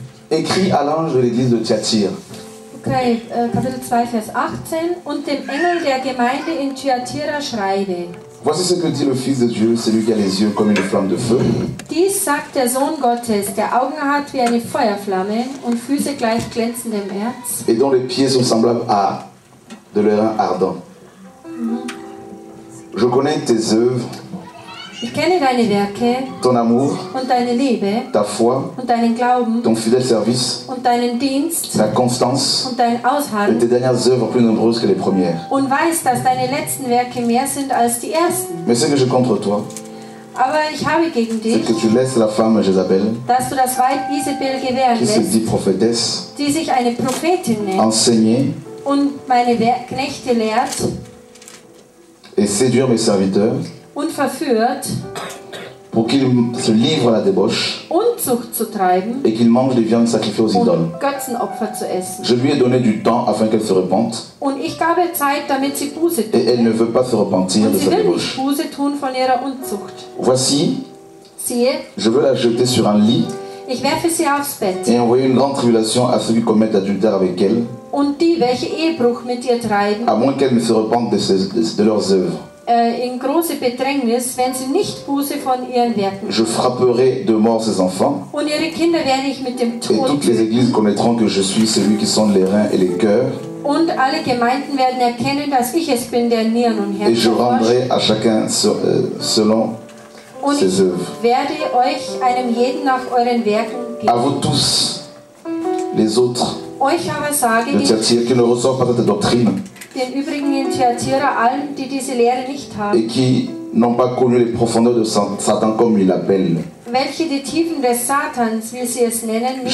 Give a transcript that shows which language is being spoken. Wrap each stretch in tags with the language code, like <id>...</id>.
<fr>écrit à l'ange de l'église de Thyatire.</fr> <de>Okay, Kapitel 2, Vers 18. Und dem Engel der Gemeinde in Thyatira schreibe.</de> <fr>Voici ce que dit le Fils de Dieu, celui qui a les yeux comme une flamme de feu.</fr> <de>Dies sagt der Sohn Gottes, der Augen hat wie eine Feuerflamme und Füße gleich glänzendem Erz.</de> <fr>Et dont les pieds sont semblables à de l'airain ardent. Je connais tes œuvres.</fr> <de>Ich kenne deine Werke,</de> <fr>ton amour,</fr> <de>und deine Liebe,</de> <fr>ta foi,</fr> <de>und deinen Glauben,</de> <fr>ton fidèle service,</fr> <de>und deinen Dienst,</de> <fr>ta constance,</fr> <de>und dein Ausharren,</de> <fr>et tes dernières œuvres plus nombreuses que les premières.</fr> <de>Und weiß, dass deine letzten Werke mehr sind als die ersten.</de> <fr>Mais ce que j'ai contre toi,</fr> <de>aber ich habe gegen dich,</de> <fr>c'est que tu laisses la femme Jézabel,</fr> <de>dass du das Weib Isabel gewähren lässt,</de> <fr>qui se dit prophétesse,</fr> <de>die sich eine Prophetin nennt,</de> <fr>enseigner,</fr> <de>und meine Knechte lehrt,</de> <fr>et séduire mes serviteurs,</fr> <de>und verführt,</de> <fr>pour qu'il se livre à la débauche,</fr> <de>Unzucht zu treiben,</de> <fr>et qu'il mange des viandes sacrifiées aux idoles.</fr> <de>Götzenopfer zu essen.</de> <fr>Je lui ai donné du temps afin qu'elle se repente,</fr> <de>und ich gab ihr Zeit, damit sie Buße tue,</de> <fr>et elle ne veut pas se repentir de sa débauche.</fr> <de>Buße tun von ihrer Unzucht.</de> <fr>Voici,</fr> <de>siehe,</de> <fr>je veux la jeter sur un lit,</fr> <de>ich werfe sie aufs Bett,</de> <fr>et envoyer une grande tribulation à ceux qui commettent l'adultère avec elle,</fr> <de>und die, welche Ehebruch mit ihr treiben,</de> <fr>à moins qu'elle ne se repente de leurs œuvres.</fr> <de>In große Bedrängnis, wenn sie nicht Buße von ihren Werken.</de> <fr>Je frapperai de mort ses enfants.</fr> <de>Und ihre Kinder werde ich mit dem Tod.</de> <fr>Et toutes les églises connaîtront que je suis celui qui sonde les reins et les cœurs.</fr> <de>Und alle Gemeinden werden erkennen, dass ich es bin, der Nieren und Herzen forscht.</de> <fr>Et je rendrai à chacun selon</fr> <de>und</de> <fr>ses œuvres.</fr> <de>Werde euch einem jeden nach euren Werken geben.</de> <fr>À vous tous, les autres.</fr> <de>Euch aber sage ich.</de> <fr>Le Thyatira qui ne ressort pas de ta doctrine.</fr> <de>Den übrigen in Thyatira, allen, die diese Lehre nicht haben.</de> <fr>Et qui n'ont pas connu les profondeurs de Satan comme il l'appelle.</fr> <de>Welche die Tiefen des Satans, wie sie es nennen, nicht</de>